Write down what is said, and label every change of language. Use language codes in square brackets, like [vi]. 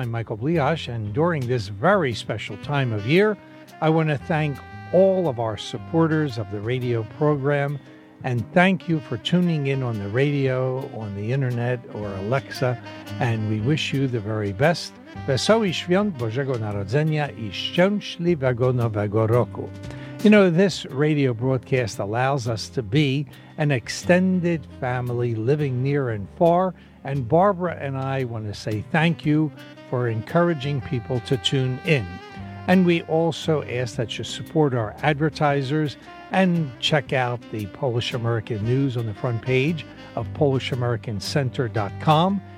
[en] I'm Michael Bliash, and during this very special time of year, I want to thank all of our supporters of the radio program, and thank you for tuning in on the radio, on the internet, or Alexa, and we wish you the very best. [pl] Wesołych Świąt Bożego Narodzenia I Szczęśliwego Nowego Roku. [en] You know, this radio broadcast allows us to be an extended family living near and far, and Barbara and I want to say thank you for encouraging people to tune in. And we also ask that you support our advertisers and check out the Polish American News on the front page of PolishAmericanCenter.com.